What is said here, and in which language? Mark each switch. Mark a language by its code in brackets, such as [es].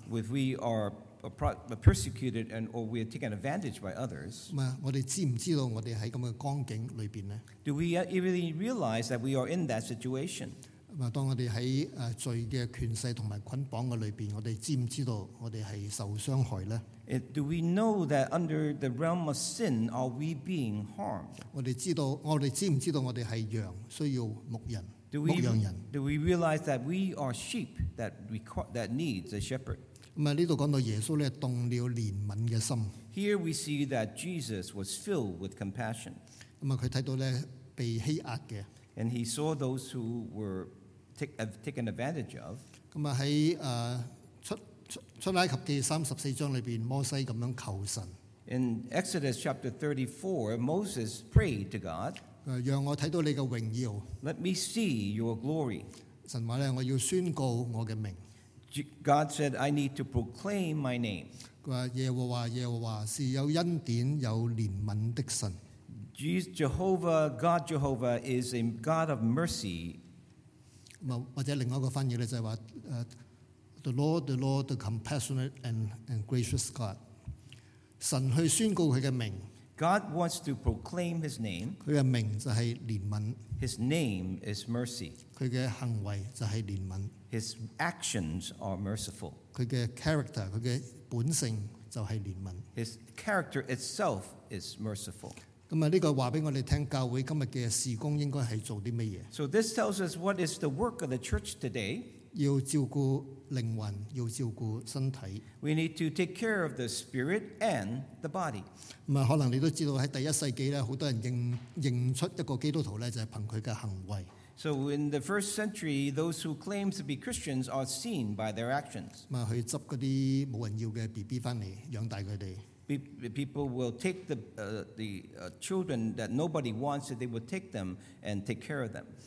[en] ，If we are persecuted and or we are taken advantage by others, do we really realize that we are in that situation? Do we know that under the realm of sin are we being harmed? [zh] 我们知道, 我们知不知道我们是羊, 需要牧人? [en] Do we realize that we are sheep that we that needs a shepherd? [zh] 这里讲到耶稣动了怜悯的心。 [en] Here we see that Jesus was filled with compassion. [zh] 他看到被欺压的。 [en] And he saw those who were taken advantage of. [zh] 在出埃及记34章里面, 摩西这样求神。 [en] In Exodus chapter 34, Moses prayed to God. [zh] 让我看到你的荣耀。 [en] Let me see your glory. [zh] 神说, 我要宣告我的名。 [en] God said, I need to proclaim my name. [zh] 耶和华, 耶和华, 是有恩典, 有怜悯的神。 [en] Jehovah, God Jehovah, is a God of mercy. [zh] 或者另外一个翻译就是说, [en] the Lord, the compassionate and gracious God. [zh] 神去宣告他的名, [en] God wants to proclaim his name. [zh] 他的名就是怜悯, [en] his name is mercy. [zh] 他的行为就是怜悯, [en] his actions are merciful. [zh] 他的character, 他的本性就是怜悯, [en] his character itself is merciful. [zh] 这个告诉我们, 教会今天的事工应该是做些什么? [en] So this tells us what is the work of the church today. [zh] 要照顾灵魂，要照顾身体。 [en] We need to take care of the spirit and the body. [zh] 可能你都知道在第一世纪呢, 很多人认出一个基督徒呢, 就是凭他的行为。 [en] So in the first century, those who claim to be Christians are seen by their actions. [zh] 去执那些没人要的BB回来养大他们。 [en] People will take the children that nobody wants, they will take them and take care of them.